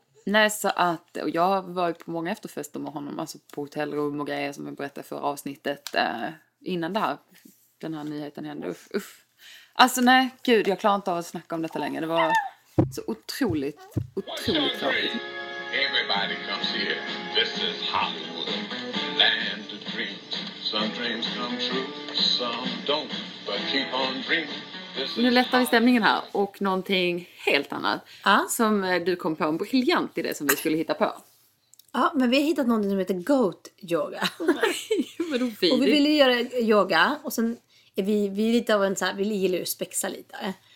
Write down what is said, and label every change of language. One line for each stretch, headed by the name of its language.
Swedish: Nej, så att, och jag var ju på många efterfester med honom, alltså på hotellrum och grejer som jag berättade för avsnittet innan det här, den här nyheten hände. Uff. Alltså nej, gud, jag klarar inte av att snacka om detta längre. Det var så otroligt, otroligt tråkigt.
English: Everybody comes here. This is Hollywood, land of dreams. Some dreams come true, some don't, but keep on dreaming.
Swedish: Nu lättar vi stämningen här och någonting helt annat som du kom på en briljant idé som vi skulle hitta på. Ja, men vi har hittat någonting som heter goat yoga. Vad och vi ville göra yoga och sen är vi är lite av en så här, vi gillar ju att spexa lite.